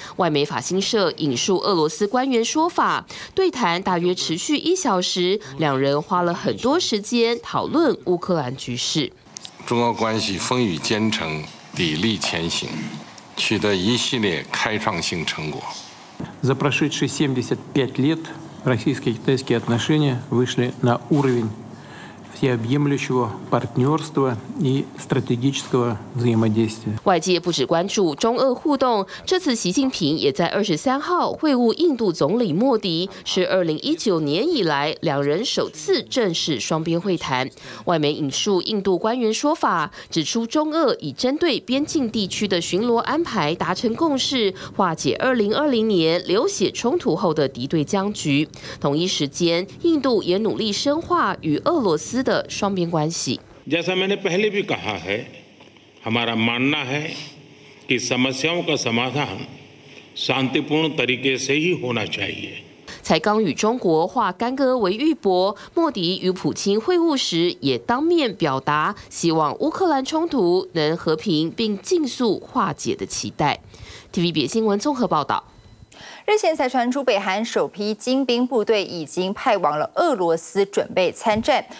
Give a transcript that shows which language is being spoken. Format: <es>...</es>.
<zh>外媒法新社引述俄罗斯官员说法，对谈大约持续1小时，两人花了很多时间讨论乌克兰局势。中俄关系风雨兼程，砥砺前行，取得一系列开创性成果。</zh> <ru>За прошедшие 75 лет российско-китайские отношения вышли на уровень всеобъемлющего партнерства и стратегического взаимодействия。</ru> <zh>外界不只关注中俄互动，这次习近平也在23号会晤印度总理莫迪，是2019年以来两人首次正式双边会谈。外媒引述印度官员说法，指出中俄已针对边境地区的巡逻安排达成共识，化解2020年流血冲突后的敌对僵局。同一时间，印度也努力深化与俄罗斯的双边关系。</zh> <hi>जैसा मैंने पहले भी कहा है, हमारा मानना है कि समस्याओं का समाधान शांतिपूर्ण तरीके से ही होना चाहिए。</hi> <zh>才刚与中国化干戈为玉帛，莫迪与普京会晤时也当面表达希望乌克兰冲突能和平并尽速化解的期待。 TVB 新闻综合报道。日前才传出北韩首批精兵部队已经派往了俄罗斯准备参战。</zh>